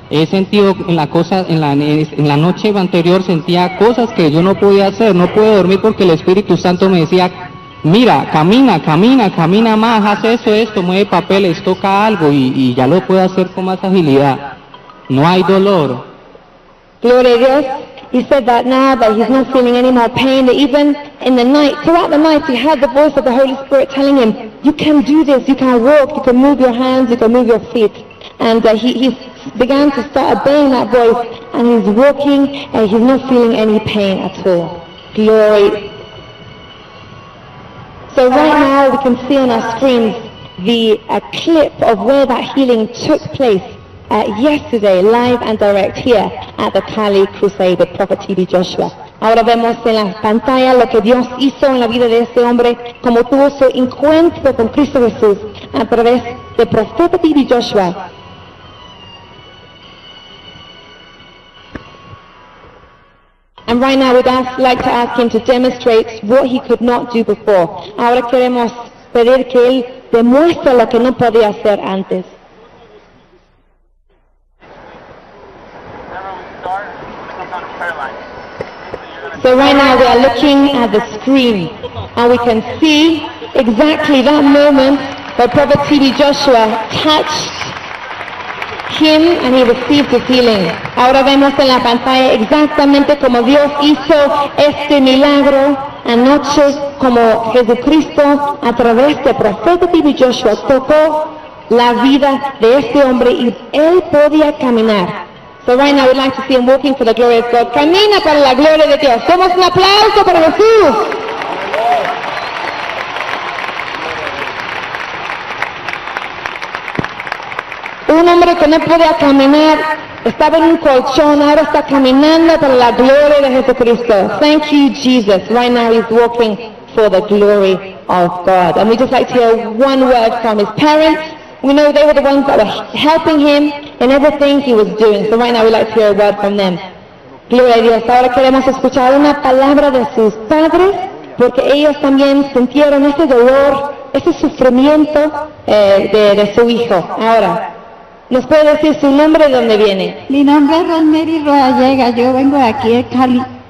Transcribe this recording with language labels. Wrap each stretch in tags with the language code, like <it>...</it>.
<es>He sentido en la cosa, en la noche anterior sentía cosas que yo no podía hacer, no pude dormir porque el Espíritu Santo me decía, mira, camina, camina, camina más, haz esto, esto, mueve papeles, toca algo y ya lo puedo hacer con más agilidad. No hay dolor. Gloria a Dios.</es> <en>He said that now that he's not feeling any more pain, that even in the night, throughout the night, he had the voice of the Holy Spirit telling him, you can do this, you can walk, you can move your hands, you can move your feet. And he began to start obeying that voice, and he's walking, and he's not feeling any pain at all. Glory. So right now, we can see on our screens the clip of where that healing took place yesterday, live and direct here at the Cali Crusade with Prophet TB Joshua.</en> <es>Ahora vemos en la pantalla lo que Dios hizo en la vida de este hombre, como tuvo su encuentro con Cristo Jesús a través de Prophet TB Joshua.</es> <en>And right now we'd like to ask him to demonstrate what he could not do before.</en> <es>Ahora queremos pedir que él demuestre lo que no podía hacer antes.</es> <en>So right now we are looking at the screen and we can see exactly that moment where Prophet TB Joshua touched him and he received his healing.</en> <es>Ahora vemos en la pantalla exactamente como Dios hizo este milagro anoche, como Jesucristo a través de Prophet TB Joshua tocó la vida de este hombre y él podía caminar.</es> <en>So right now we'd like to see him walking for the glory of God.</en> <es>Camina para la gloria de Dios. Demos un aplauso para Jesús. Un hombre que no podía caminar, estaba en un colchón, ahora está caminando para la gloria de Jesucristo.</es> <en>Thank you, Jesus. Right now he's walking for the glory of God. And we'd just like to hear one word from his parents. We know they were the ones that were helping him in everything he was doing. So right now we'd like to hear a word from them.</en> <es>Gloria a Dios. Ahora queremos escuchar una palabra de sus padres, porque ellos también sintieron ese dolor, ese sufrimiento de su hijo. Ahora, ¿nos puede decir su nombre y dónde viene? Mi nombre es Rosemary Rodallega. Yo vengo de aquí, de Cali.</es>